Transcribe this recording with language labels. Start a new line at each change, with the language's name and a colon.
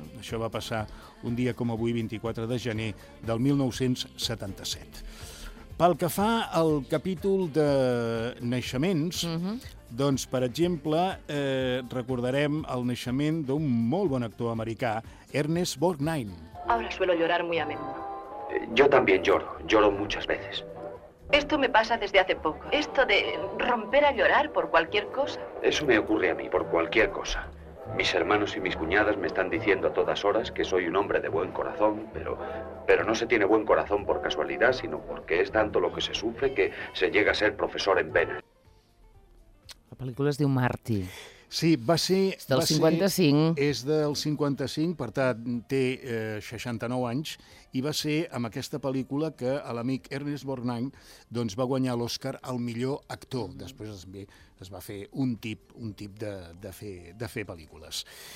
Catalan: Això va passar un dia com avui, 24 de gener del 1977. Pel que fa al capítol de naixements, per exemple, recordarem el naixement d'un molt bon actor americà, Ernest Borgnine.
Spanish: Ahora suelo llorar muy a menudo. Yo también lloro muchas veces. Esto me pasa desde hace poco. Esto de romper a llorar por cualquier cosa. Eso me ocurre a mí, por cualquier cosa. Mis hermanos y mis cuñadas me están diciendo a todas horas que soy un hombre de buen corazón, pero no se tiene buen corazón por casualidad, sino porque es tanto lo que se sufre que se llega a ser profesor en vena.
Catalan: La pel·lícula es diu Marty. Sí, va ser... És del 55. És del 55, per tant, té 69 anys, i va ser amb aquesta pel·lícula que l'amic Ernest Borgnine va guanyar l'Oscar al millor actor. Després també es va fer un tip de fer pel·lícules.